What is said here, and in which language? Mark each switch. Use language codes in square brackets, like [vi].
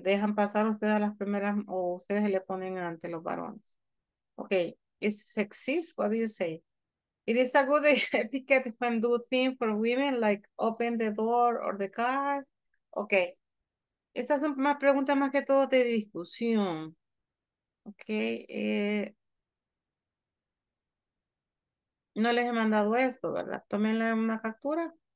[es] ¿Dejan pasar ustedes a las primeras o ustedes le ponen ante los varones? [en] Ok. Is sexist? What do you say? It is a good etiquette when do things for women, like open the door or the car. Okay. [es] Estas son más preguntas más que todo de discusión. Okay. No les he mandado esto, ¿verdad? Tómenla en una captura.